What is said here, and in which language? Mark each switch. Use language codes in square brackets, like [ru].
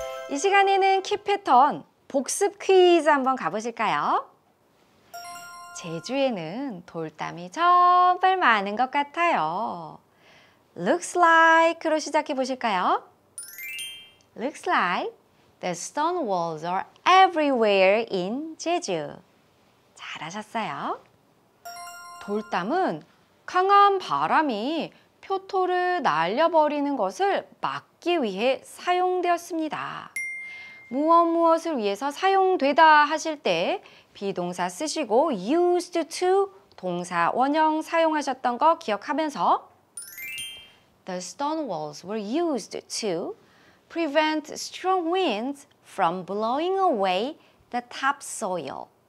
[ko] 이 시간에는 키 패턴 복습 퀴즈 한번 가보실까요? 제주에는 돌담이 정말 많은 것 같아요. [en] Looks like [ko] 로 시작해 보실까요? [en] Looks like the stone walls are everywhere in Jeju. [ko] 잘하셨어요. 돌담은 강한 바람이 표토를 날려버리는 것을 막기 위해 사용되었습니다. 무엇 무엇을 위해서 사용되다 하실 때 비동사 쓰시고 [en] used to [ko] 동사 원형 사용하셨던 거 기억하면서 [en] The stone walls were used to prevent strong winds from blowing away the topsoil.